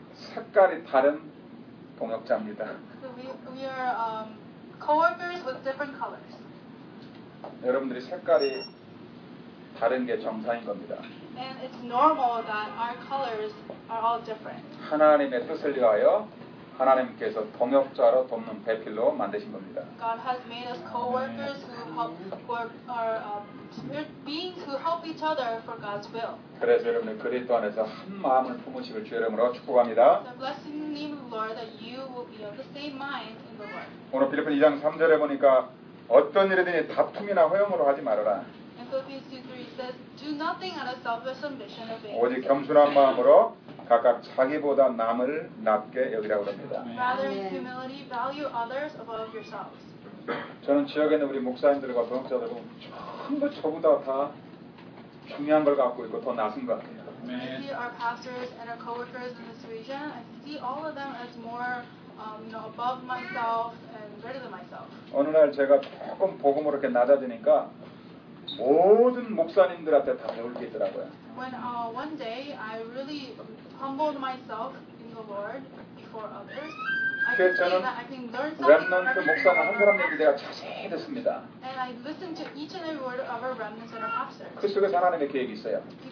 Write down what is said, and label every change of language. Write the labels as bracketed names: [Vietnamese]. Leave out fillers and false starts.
[Korean] 색깔이 다른 동역자입니다. [English] So we are co-workers with different colors. [Korean] 여러분들이 색깔이 다른 게 정상인 겁니다. [English] And it's normal that our colors are all different. [Korean] 하나님의 뜻을 위하여 하나님께서 동역자로 돕는 배필로 만드신 겁니다. [English] God has made us co-workers who are beings who help each other for God's will. [Korean] 그래서 여러분 그리스도 안에서 한 마음을 품으시길 주의 이름으로 축복합니다. [English] So bless in the name of the Lord that you will be of the same mind in the Lord. [Korean] 오늘 빌립보 2장 3절에 보니까 어떤 일이든 다툼이나 허영으로 하지 말아라. [English] And Philippians 2:3 says, do nothing out of selfish ambition or vain. [Korean] 오직 겸손한 마음으로 각각 자기보다 남을 낮게 여기라고 합니다. [English] Rather in humility, value others above yourselves. [Korean] 저는 지역에 있는 우리 목사님들과 동역자들도 전부 저보다 다 중요한 걸 갖고 있고 더 낮은 것 같아요. [English] I see our pastors and our coworkers in this region. I see all of them as more, above myself and greater than myself. [Korean] 어느 날 제가 조금 복음으로 이렇게 낮아지니까 모든 목사님들한테 다 배울 게 있더라고요. [English] When one day I really humbled myself in the Lord before others. [Korean] 그래서 저는 렘넌트 목사가 한 사람 얘기 내가 자세히 듣습니다. 그 속에서 하나님의 계획이 있어요.